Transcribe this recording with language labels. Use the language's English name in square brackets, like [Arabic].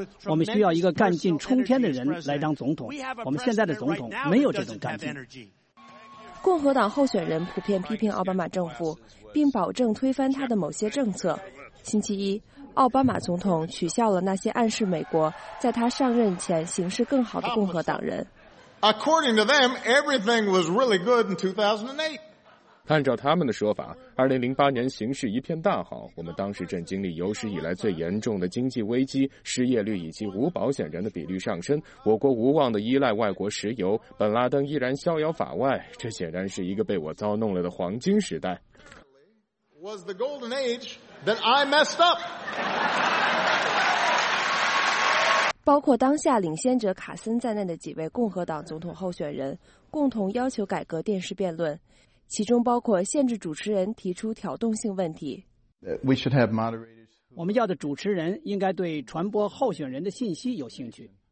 [Chinese] 我们需要一个干劲冲天的人来当总统。我们现在的总统没有这种干劲。” 共和党候选人普遍批评奥巴马政府，并保证推翻他的某些政策。星期一，奥巴马总统取笑了那些暗示美国在他上任前形势更好的共和党人。 [English] According to them, everything was really good in 2008. [Chinese] 按照他们的说法，2008年形势一片大好，我们当时正经历有史以来最严重的经济危机，失业率以及无保险人的比率上升，我国无望地依赖外国石油，本拉登依然逍遥法外，这显然是一个被我糟弄了的黄金时代。 [English] Was the golden age that I messed up? [Chinese] 包括当下领先者卡森在内的几位共和党总统候选人共同要求改革电视辩论，其中包括限制主持人提出挑动性问题。 [English] We should have moderators. [Chinese] 我们要的主持人应该对传播候选人的信息有兴趣。